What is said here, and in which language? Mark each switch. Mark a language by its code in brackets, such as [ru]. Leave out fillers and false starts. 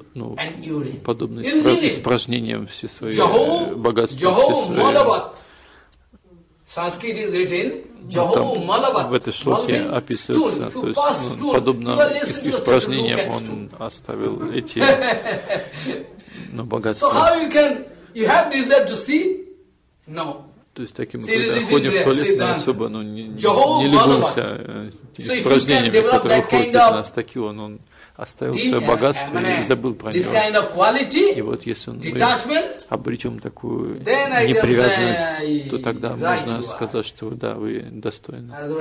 [ru] ну, подобное испражнением все свои богатства, все свои. [en] Sanskrit is written Jahu Malabat. [ru] В этой шлоке описывается, то есть, ну, подобно испражнениям он оставил эти, ну, богатства. [en] So how you can, you have desire to see? No. [ru] То есть таким образом ходим в туалет, но особо, ну, не любуемся испражнениями, которые уходят из нас, такие он оставил свое богатство и забыл про него. [en] Kind of quality, [ru] и вот если мы обретем такую непривязанность, то тогда можно сказать, что да, вы достойны.